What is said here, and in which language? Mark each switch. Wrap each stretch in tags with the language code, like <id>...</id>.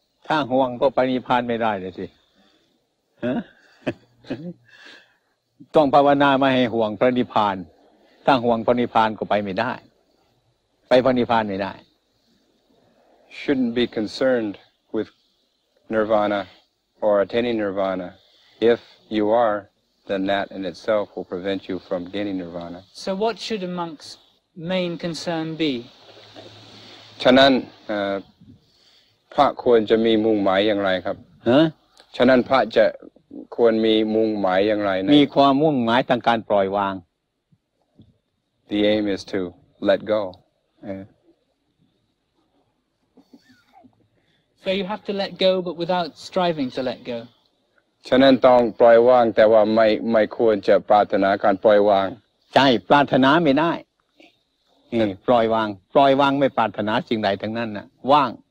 <th>ถ้าห่วงก็ไปนิพพานไม่ได้เลยสิต้องภาวนามาให้ห่วงพระนิพพานถ้าห่วงพระนิพพานก็ไปไม่ได้ไปพระนิพพานไม่ได้</th> <en>shouldn't be concerned with nirvana or attaining nirvana if you are then that in itself will prevent you from gaining nirvana so what should a monk's main concern be</en> <th>ฉะนั้นพระควรจะมีมุ่งหมายอย่างไรครับ ฮะ ฉะนั้นพระจะควรมีมุ่งหมายอย่างไร มีความมุ่งหมายทางการปล่อยวาง</th> <en>The aim is to let go So you have to let go but without striving to let go</en> <th>ฉะนั้นต้องปล่อยวางแต่ว่าไม่ควรจะปรารถนาการปล่อยวาง ใช่ปรารถนาไม่ได้นี่ปล่อยวางปล่อยวางไม่ปรารถนาสิ่งใดทั้งนั้นน่ะว่าง</th>